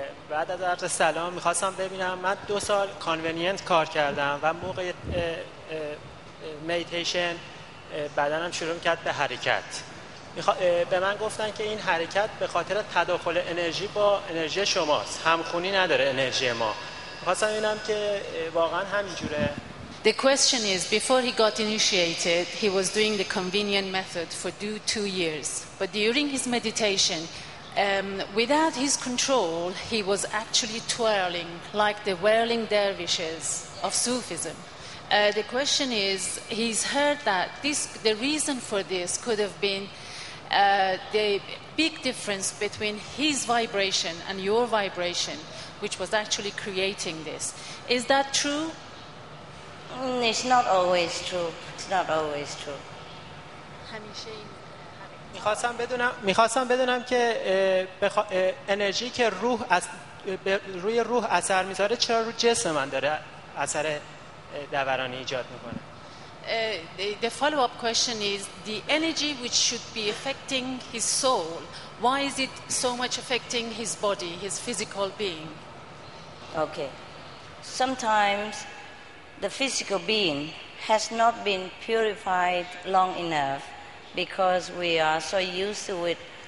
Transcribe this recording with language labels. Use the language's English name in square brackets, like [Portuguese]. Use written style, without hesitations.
[Persian] بعد از عرض سلام میخواستم ببینم من 2 سال کانونینت کار کردم و موقع میتیشن بدنم شروع کرد به حرکت به من گفتن که این حرکت به خاطر تداخل انرژی با انرژی شماست همخونی نداره انرژی ما میخواستم ببینم که واقعا همینجوره [English] The question is, before he got initiated, he was doing the convenient method for 2 years. But during his meditation, without his control, he was actually twirling like the whirling dervishes of Sufism. The question is, he's heard that the reason for this could have been the big difference between his vibration and your vibration, which was actually creating this. Is that true? It's not always true. It's not always true. [Persian] میخواستم بدونم که انرژی که روح از روی روح اثر میذاره چرا روی جسم من داره اثر دورانی ایجاد میکنه [English] the follow-up question is, the energy which should be affecting his soul, why is it so much affecting his body, his physical being? Okay. Sometimes the physical being has not been purified long enough because we are so used to it.